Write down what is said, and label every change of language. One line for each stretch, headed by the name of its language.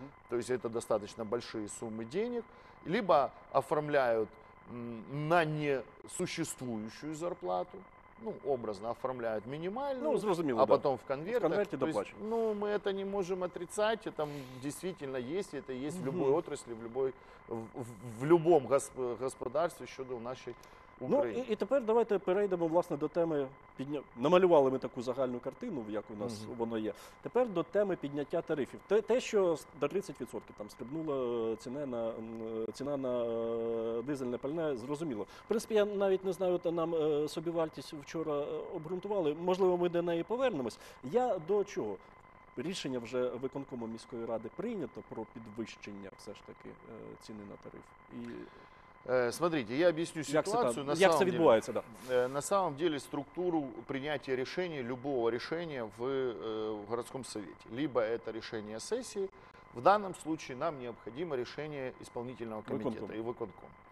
Russian: То есть это достаточно большие суммы денег. Либо оформляют на несуществующую зарплату, ну, образно оформляют минимальную, потом в конвертах. В конверте доплачивают. Ну, мы это не можем отрицать, это действительно есть, это есть в любой отрасли, в любом господарстве
Ukrainian: щодо
Russian: нашей України.
Ukrainian: Ну, і тепер давайте перейдемо, власне, до теми, намалювали ми таку загальну картину, як у нас воно є. Тепер до теми підняття тарифів. Те, що до 30% там стрибнула ціна на дизельне пальне, зрозуміло. В принципі, я навіть не знаю, та нам собівартість вчора обґрунтували, можливо, ми до неї повернемось. Я до чого? Рішення вже виконкому міської ради прийнято про підвищення все ж таки ціни на тариф. І...
Russian: Смотрите, я объясню ситуацию. На самом деле структуру принятия решения, любого решения в городском совете. Либо это решение сессии. В данном случае нам необходимо решение исполнительного комитета и выконкома.